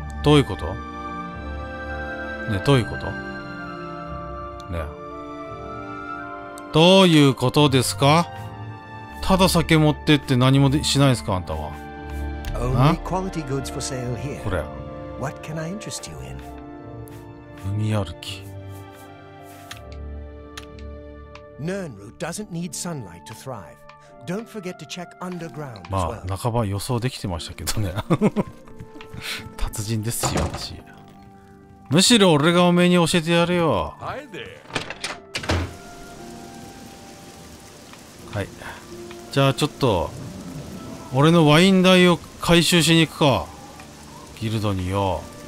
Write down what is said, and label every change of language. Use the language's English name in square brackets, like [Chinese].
[Japanese] どういうことね、どういうことね、どういうことですか。ただ酒持ってって何もしないですか、あんたは。 [English] Only quality goods for sale here. [Japanese] これ [English] What can I interest you in? [Japanese] 海歩き。 [English] Nernroot doesn't need sunlight to thrive. Don't forget to check underground as well. [Japanese] まあ、半ば予想できてましたけどね。達人ですよ、私。むしろ俺がおめえに教えてやるよ。はい。じゃあちょっと、俺のワイン代を回収しに行くか。ギルドによ。